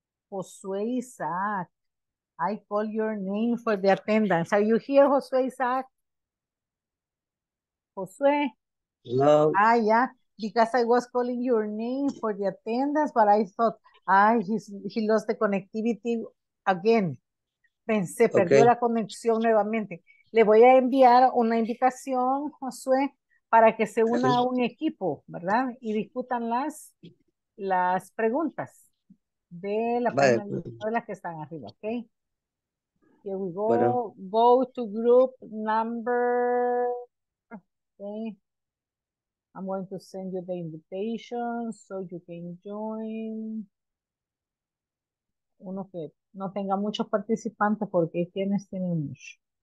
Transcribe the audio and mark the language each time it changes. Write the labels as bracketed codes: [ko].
[en] Josue Isaac, I call your name for the attendance. Are you here, Josue Isaac? Josue? Hello. Ah, yeah, because I was calling your name for the attendance, but I thought, he lost the connectivity again. [es] Pensé, okay. Perdió la conexión nuevamente. Le voy a enviar una invitación, Josué, para que se una a un equipo, ¿verdad? Y discutan las preguntas de la persona de las que están arriba, ¿ok? [en] Here we go. Bueno. Go to group number. Okay. I'm going to send you the invitation so you can join. [es] Uno que no tenga muchos participantes porque quienes tienen mucho.